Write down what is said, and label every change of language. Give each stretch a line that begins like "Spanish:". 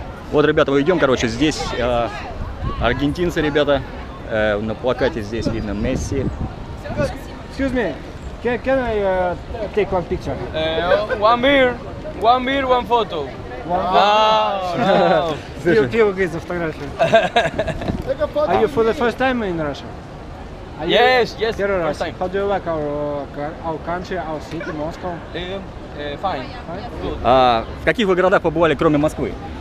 Russian: Вот, ребята, мы идем, короче, здесь аргентинцы, ребята. На плакате здесь видно Месси.
English: Excuse me, can I take one picture? One beer, one photo. Wow.
Russian: Пиво говорит за фотографию.
English: Are you for the first time in Russia? Yes, first time. How do you like our country, our city, Moscow? Fine.
Russian: В каких вы городах побывали, кроме Москвы?